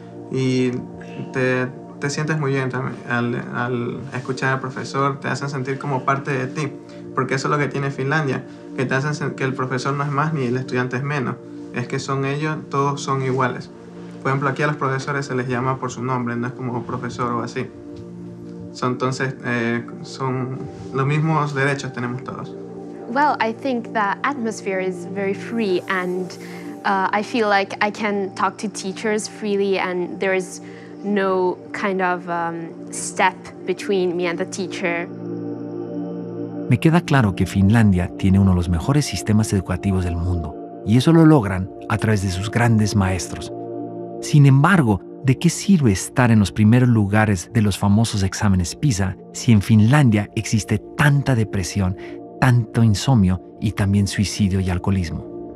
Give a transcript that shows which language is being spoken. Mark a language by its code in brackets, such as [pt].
[es] Y te sientes muy bien también al escuchar al profesor, te hacen sentir como parte de ti, porque eso es lo que tiene Finlandia, que te hacen que el profesor no es más ni el estudiante es menos, es que son ellos, todos son iguales. Por ejemplo, aquí a los profesores se les llama por su nombre, no es como profesor o así. Son los mismos derechos tenemos todos. [en] Well, I think the atmosphere is very free and I feel like I can talk to teachers freely and there is no kind of step between me and the teacher. [es] Me queda claro que Finlandia tiene uno de los mejores sistemas educativos del mundo y eso lo logran a través de sus grandes maestros. Sin embargo, ¿de qué sirve estar en los primeros lugares de los famosos exámenes PISA si en Finlandia existe tanta depresión, tanto insomnio y también suicidio y alcoholismo?